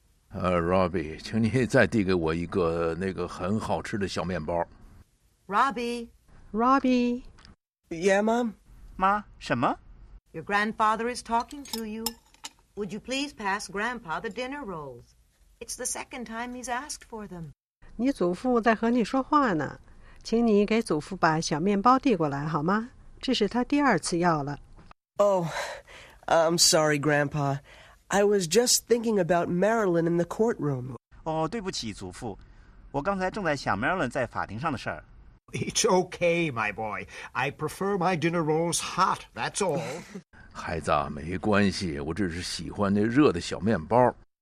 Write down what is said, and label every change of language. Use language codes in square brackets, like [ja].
[zh] Robbie, 请你再递给我一个那个很好吃的小面包。 Robbie, Robbie, [en] Yeah, Mom? [zh] Ma, 什么? [en] Your grandfather is talking to you. Would you please pass Grandpa the dinner rolls? It's the second time he's asked for them. [zh] 你祖父在和你说话呢。请你给祖父把小面包递过来好吗？这是他第二次要了。 [en] Oh, I'm sorry, Grandpa. I was just thinking about Marilyn in the courtroom. [zh] 哦，对不起，祖父。我刚才正在想 Marilyn 在法庭上的事儿。 [en] It's okay, my boy. I prefer my dinner rolls hot, that's all. [zh] 孩子，没关系，我只是喜欢那热的小面包。